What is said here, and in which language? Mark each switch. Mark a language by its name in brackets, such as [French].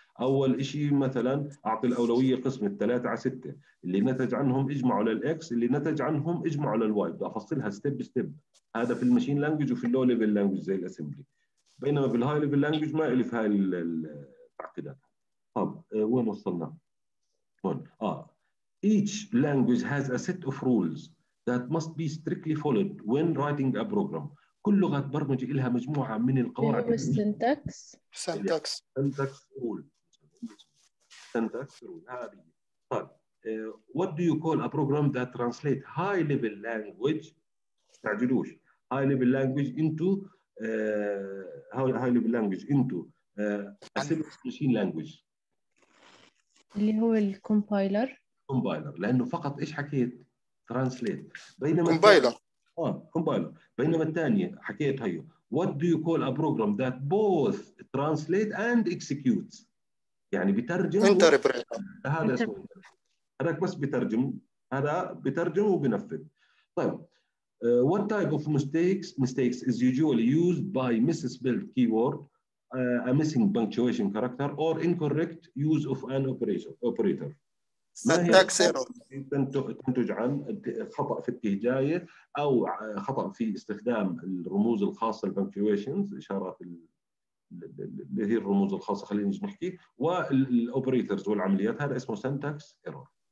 [Arabic] اول شيء مثلا اعطي الاولويه قسم الثلاثه على سته، اللي نتج عنهم اجمعوا للاكس، اللي نتج عنهم اجمعوا للواي، بدي افصلها ستيب ستيب. هذا في الماشين لانجويج وفي اللو ليفل لانجويج زي الاسمبلي، بينما بالهاي ليفل لانجويج ما الف هاي التعقيدات. طب وين وصلنا؟ هون. [English] Each language has a set of rules that must be strictly followed when writing a program. [Arabic] كل لغة برمجة لها مجموعة من القواعد. [English] Syntax. Syntax. Syntax rule. Syntax rule هذه. طيب. What do you call a program that translates high level language؟ [Arabic] تعجلوش. [English] High level language into high level language into assembly machine language. [Arabic] اللي هو الكومبايلر. [English] Compiler. [Arabic] لأنه فقط إيش حكيت؟ translate. بينما. [English] Compiler. Compiler. [Arabic] بينما الثانية حكيت هيو [English] what do you call a program that both translate and executes، [Arabic] يعني بترجم [English] interpret. [Arabic] هذا اسمه هذاك بس بترجم، هذا بترجم وبنفذ. [English] طيب what type of mistakes is usually used by misspelled keyword a missing punctuation character or incorrect use of an operator. syntax [Arabic] error تنتج عن خطأ في التهجاية أو خطأ في استخدام الرموز الخاصة البنكتويشنز إشارات اللي هي الرموز الخاصة، خلينا نحكي والأوبريترز والعمليات، هذا اسمه syntax error.